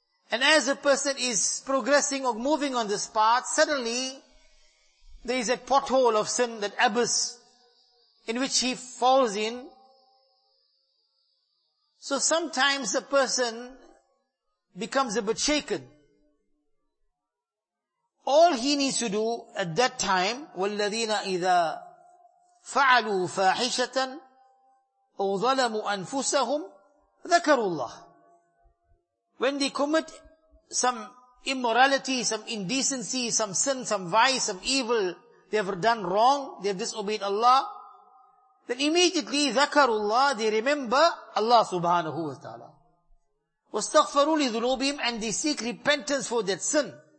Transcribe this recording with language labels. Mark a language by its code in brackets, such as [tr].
[en] And as a person is progressing or moving on this path, suddenly there is a pothole of sin, that abyss, in which he falls in. So sometimes a person becomes a bit shaken. All he needs to do at that time, [ar] وَالَّذِينَ إِذَا فَعَلُوا فَاحِشَةً أَوْ ظَلَمُوا أَنفُسَهُمْ ذَكَرُوا اللَّهِ. [en] When they commit some immorality, some indecency, some sin, some vice, some evil, they have done wrong, they have disobeyed Allah, then immediately [ar] ذَكَرُوا اللَّهِ, [en] they remember Allah subhanahu wa ta'ala. [ar] وَاسْتَغْفَرُوا لِذُنُوبِهِمْ, [en] and they seek repentance for that sin.